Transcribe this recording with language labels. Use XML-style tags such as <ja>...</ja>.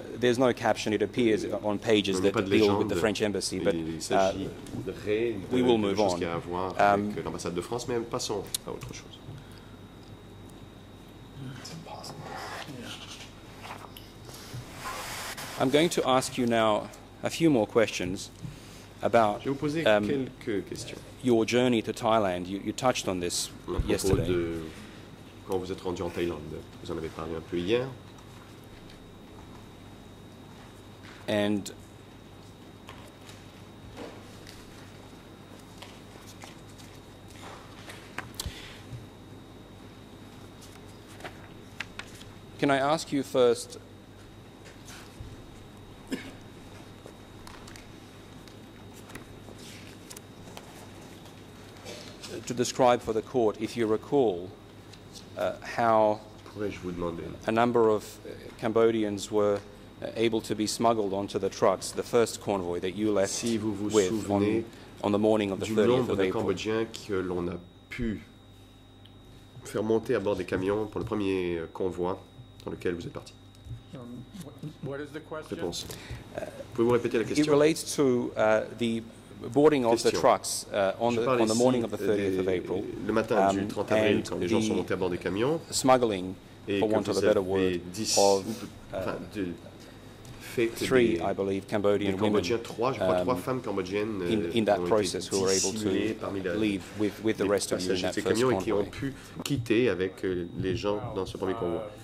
<en>There's no caption, it appears on pages that deal with the French embassy, but we will move on.</en> <fr>Qui a à voir avec l'ambassade de France, mais passons à autre chose.</fr> <en>I'm going to ask you now a few more questions about your journey to Thailand. You touched on this yesterday.</en> <fr>Quand vous êtes rendu en Thaïlande, vous en avez parlé un peu hier.</fr> <en>And can I ask you first? To describe for the court, if you recall, how a number of Cambodians were able to be smuggled onto the trucks, the first convoy that you left</en> <fr>si vous vous</fr> <en>with</en> <fr>souvenez</fr> <en>on the morning of the 30th of April.</en> <fr>Cambodgiens que l'on a pu faire monter à bord des camions pour le premier convoi dans lequel vous êtes parti.</fr> <en>What is the question?</en> <fr>Réponse. Pouvez-vous répéter la question?</fr> <en>It relates to the boarding of the trucks on the morning of the 30th of April.</en> <fr>Le matin du 30 avril, quand les gens sont montés à bord des camions.</fr> <en>Smuggling, for want of a better word, of three, I believe, Cambodian women in that process who were able to leave with the rest of you in that first convoy.</en> <fr>Qui ont pu quitter avec les gens dans ce premier convoi.</fr>